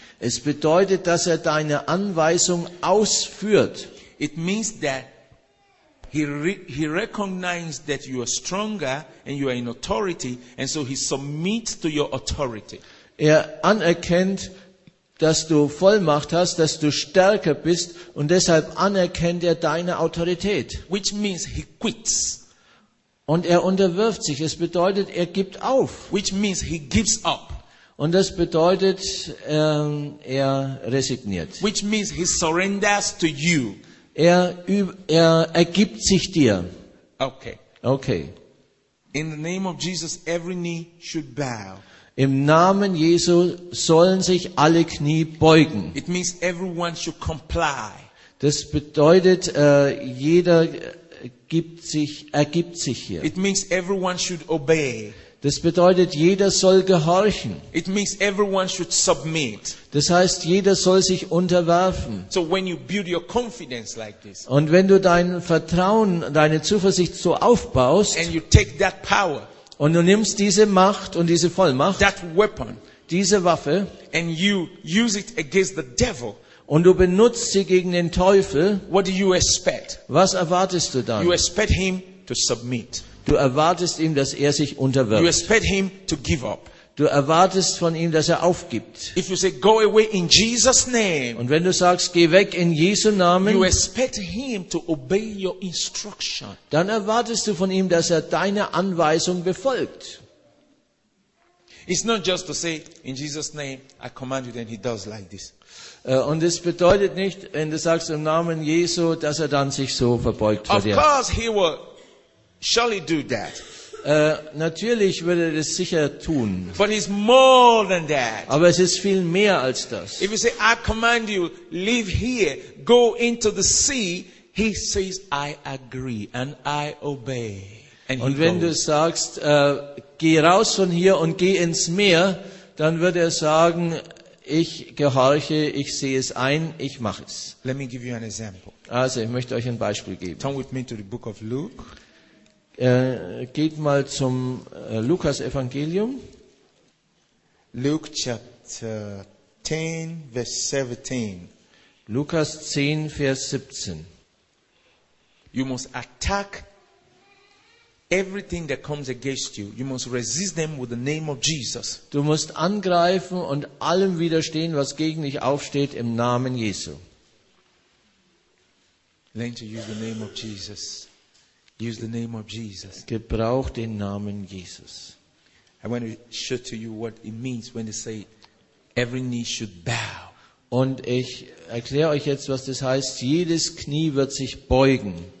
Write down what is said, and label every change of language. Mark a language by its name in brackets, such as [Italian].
[German] Es bedeutet, dass er deine Anweisung ausführt. [English] It means that he recognizes that you are stronger and you are in authority, and so he submits to your authority. [German] Er anerkennt, dass du Vollmacht hast, dass du stärker bist und deshalb anerkennt er deine Autorität. [English] Which means he quits. [German] Und er unterwirft sich. Es bedeutet, er gibt auf. [English] Which means he gives up. [German] Und das bedeutet, er resigniert. [English] Which means he surrenders to you. [German] Er ergibt sich dir. Okay. Okay. [English] In the name of Jesus, every knee should bow. [German] Im Namen Jesu sollen sich alle Knie beugen. [English] It means everyone should comply. [German] Das bedeutet, jeder ergibt sich hier. [English] It means everyone should obey. [German] Das bedeutet, jeder soll gehorchen. [English] It means everyone should submit. [German] Das heißt, jeder soll sich unterwerfen. [English] So when you build your confidence like this, [German] und wenn du dein Vertrauen, deine Zuversicht so aufbaust, [English] and you take that power, [German] und du nimmst diese Macht und diese Vollmacht, [English] that weapon, [German] diese Waffe, [English] and you use it against the devil, [German] und du benutzt sie gegen den Teufel, [English] what do you expect? [German] Was erwartest du dann? [English] You expect him to submit. [German] Du erwartest ihm, dass er sich unterwirft. [English] You expect him to give up. [German] Du erwartest von ihm, dass er aufgibt. [English] If you say, go away in Jesus name, [German] und wenn du sagst, geh weg in Jesu Namen, [English] you expect him to obey your instruction. [German] Dann erwartest du von ihm, dass er deine Anweisung befolgt. [English] It's not just to say, in Jesus name, I command you, then he does like this. [German] Und es bedeutet nicht, wenn du sagst im Namen Jesu, dass er dann sich so verbeugt vor dir. [English] Of course he will surely do that. [German] Natürlich würde er das sicher tun. [English] But it's more than that. [German] Aber es ist viel mehr als das. [English] If you say, I command you, leave here, go into the sea, he says, I agree and I obey. [German] Und wenn du sagst, geh raus von hier und geh ins Meer, dann wird er sagen, ich gehorche, ich sehe es ein, ich mache es. [English] Let me give you an example. [German] Also, ich möchte euch ein Beispiel geben. [English] Turn with me to the book of Luke. [German] Geht mal zum Lukas-Evangelium. [English] Luke chapter 10, verse 17. [German] Lukas 10, Vers 17. [English] You must attack everything that comes against you. You must resist them with the name of Jesus. [German] Du musst angreifen und allem widerstehen, was gegen dich aufsteht, im Namen Jesu. [English] Learn to use the name of Jesus. Use the name of Jesus. [German] Gebrauch den Namen Jesus. [English] I want to show to you what it means when they say every knee should bow. [German] Und ich erkläre euch jetzt, was das heißt. Jedes Knie wird sich beugen.